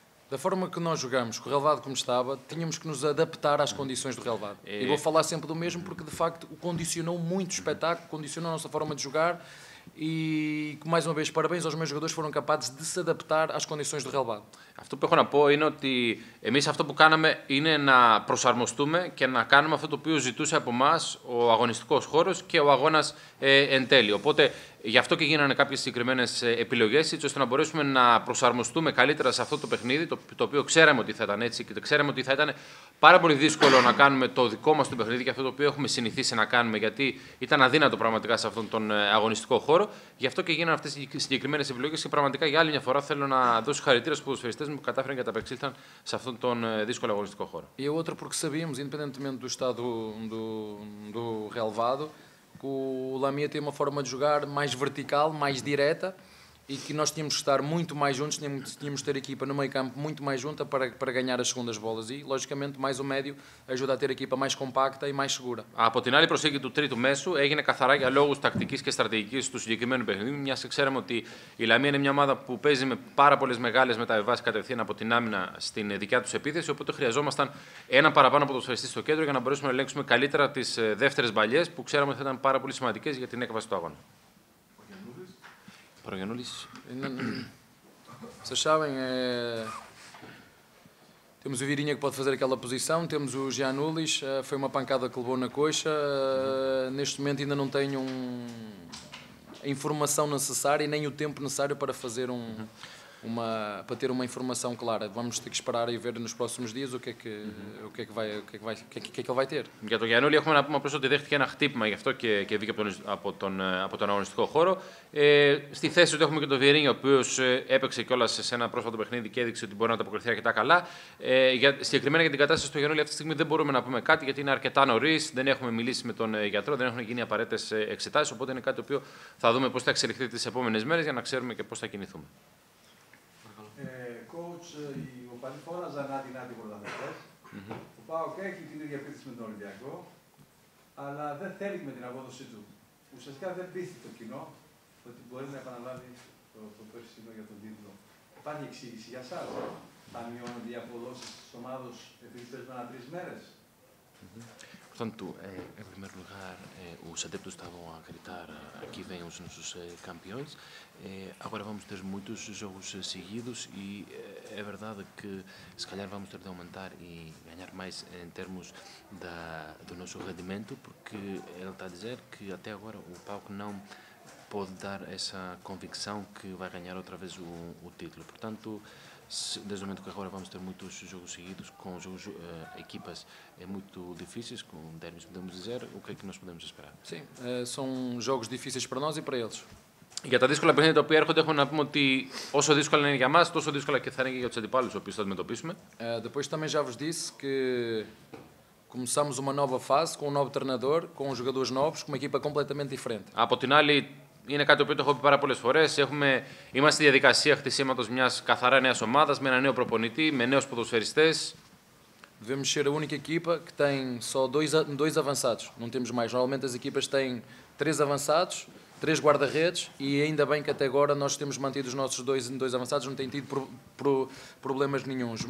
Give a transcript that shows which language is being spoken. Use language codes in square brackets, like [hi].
[pt] Da forma que nós jogamos, com o relevado como estava, tínhamos que nos adaptar às condições do relevado. E vou falar sempre do mesmo, porque de facto o condicionou muito o espetáculo, condicionou a nossa forma de jogar. E mais uma vez, parabéns aos meus jogadores, foram capazes de se adaptar às condições do relevado. [el] Αυτό που έχω να πω είναι ότι εμείς αυτό που κάναμε είναι να προσαρμοστούμε και να κάνουμε αυτό το οποίο ζητούσε από εμάς ο αγωνιστικός χώρος και ο αγώνας εν τέλει. Οπότε γι' αυτό και γίνανε κάποιες συγκεκριμένες επιλογές, έτσι ώστε να μπορέσουμε να προσαρμοστούμε καλύτερα σε αυτό το παιχνίδι, το οποίο ξέραμε ότι θα ήταν έτσι και ξέραμε ότι θα ήταν πάρα πολύ δύσκολο να κάνουμε το δικό μας το παιχνίδι και αυτό το οποίο έχουμε συνηθίσει να κάνουμε, γιατί ήταν αδύνατο πραγματικά σε αυτόν τον αγωνιστικό χώρο. Γι' αυτό και γίνανε αυτές οι συγκεκριμένες επιλογές και πραγματικά για άλλη μια φορά θέλω να δώσω συγχαρητήρια στους ποδοσφαιριστές μου που κατάφεραν και ανταπεξήλθαν σε αυτόν τον δύσκολο αγωνιστικό χώρο. [pt] E outro porque sabíamos, independentemente do estado do relevado, que o Lamia tem uma forma de jogar mais vertical, mais direta e que nós tínhamos que estar muito mais juntos, tínhamos que ter a equipa no meio campo muito mais junta para ganhar as segundas bolas e, logicamente, mais o médio ajuda a ter a equipa mais compacta e mais segura. [el] Από την άλλη προσέγγιση του τρίτου μέσου έγινε καθαρά για λόγους τακτικής και στρατηγικής του συγκεκριμένου παιχνιδιού, μιας και ξέραμε ότι η Λαμία είναι μια ομάδα που παίζει με πάρα πολλές μεγάλες μεταβιβάσεις κατευθείαν από την άμυνα στην δικιά τους επίθεση, οπότε χρειαζόμασταν ένα παραπάνω από το ποδοσφαιριστή στο κέντρο για να μπορέσουμε να ελέγξουμε καλύτερα τις δεύτερες μπαλιές που ξέραμε ότι θα ήταν πάρα πολύ σημαντικές για την έκβαση του αγώνα. [pt] Para ganhar isso. Vocês sabem, temos o Virinha que pode fazer aquela posição, temos o Giannoulis, foi uma pancada que levou na coxa, neste momento ainda não tenho a informação necessária e nem o tempo necessário para fazer um... para ter uma informação clara. Vamos ter que esperar e ver nos próximos dias o que é que ele vai ter. [el] Για τον Γιαννούλη έχουμε να πούμε απλώς ότι δέχτηκε ένα χτύπημα γι' αυτό και βγήκε από τον αγωνιστικό χώρο. Στη θέση του έχουμε και τον Βιερίνη, ο οποίος έπαιξε κιόλας σε ένα πρόσφατο παιχνίδι και έδειξε ότι μπορεί να ανταποκριθεί αρκετά καλά. Συγκεκριμένα για την κατάσταση του Γιαννούλη αυτή τη στιγμή δεν μπορούμε να πούμε κάτι, γιατί είναι αρκετά νωρίς, δεν έχουμε μιλήσει με τον γιατρό, δεν έχουν γίνει απαραίτητες εξετάσεις, οπότε είναι κάτι το οποίο θα δούμε πώς θα εξελιχθεί τις επόμενες μέρες για να ξέρουμε και πώς θα κινηθούμε. Coach, ο Παλιφόρα Ζανάτι είναι αντιπρωταθλητής. Ο ΠΑΟΚ έχει την ίδια πίστη με τον Ολυμπιακό, αλλά δεν θέλει με την απόδοσή του. Ουσιαστικά δεν πείθει το κοινό ότι μπορεί να επαναλάβει το περσινό για τον τίτλο. Υπάρχει εξήγηση για εσάς? Θα μειώνονται οι αποδόσεις της ομάδος επειδή περισσότερο τρεις μέρες? [pt] Tanto, em primeiro lugar, os adeptos estavam a gritar aqui vêm os nossos campeões. Agora vamos ter muitos jogos seguidos e é verdade que se calhar vamos ter de aumentar e ganhar mais em termos do nosso rendimento, porque ele está a dizer que até agora o palco não pode dar essa convicção que vai ganhar outra vez o título. Portanto, desde o momento que agora vamos ter muitos jogos seguidos, com jogos, equipas muito difíceis, com derbys, podemos dizer, o que é que nós podemos esperar? Sim, são jogos difíceis para nós e para eles. [el] Για τα δύσκολα παιχνίδια τα οποία έρχονται, έχουμε να πούμε ότι όσο δύσκολα είναι για μας, τόσο δύσκολα και θα είναι και για τους αντιπάλους, οι οποίοι θα αντιμετωπίσουμε. [pt] Depois também já vos disse que começamos uma nova fase, com um novo treinador, com jogadores novos, com uma equipa completamente diferente. [el] Από την άλλη, είναι κάτι που το έχω πει πάρα πολλές φορές. Είμαστε στη διαδικασία χτισήματος μιας καθαρά νέας ομάδας με ένα νέο προπονητή, με νέους ποδοσφαιριστές. [pt] Devemos ser a única equipa que tem só dois avançados. Não temos mais. Normalmente as equipas têm três avançados, três guarda-redes e ainda bem que até agora nós temos mantido os nossos dois avançados, não têm tido problemas nenhums.